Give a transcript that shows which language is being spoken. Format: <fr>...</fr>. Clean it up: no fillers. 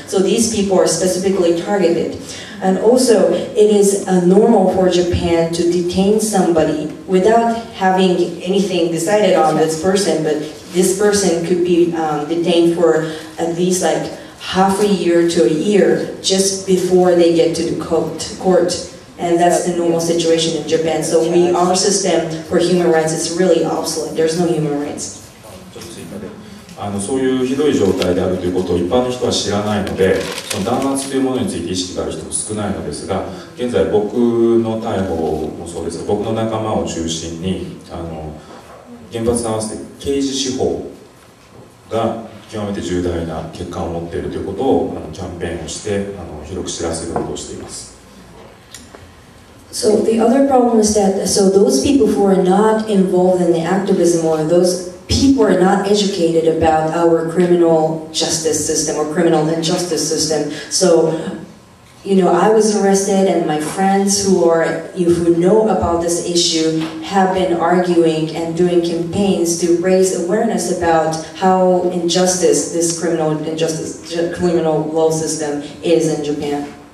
<en>So these people are specifically targeted. And also, it is normal for Japan to detain somebody without having anything decided on this person, but this person could be detained for at least like half a year to a year just before they get to the court. And that's the normal situation in Japan. So we, our system for human rights is really obsolete. There's no human rights.</en> <ja>あのそういうひどい状態であるということを一般の人は知らないので、その弾圧というものについて意識がある人も少ないのですが、現在僕の逮捕もそうですが、僕の仲間を中心にあの原発に合わせて刑事司法が極めて重大な欠陥を持っているということをあのキャンペーンをしてあの広く知らせることをしています。</ja> <en>So the other problem is that so those people who are not involved in the activism or thosepeople are not educated about our criminal justice system or criminal injustice system. So, you know, I was arrested and my friends who know about this issue have been arguing and doing campaigns to raise awareness about how injustice this criminal injustice, criminal law system is in Japan.</en>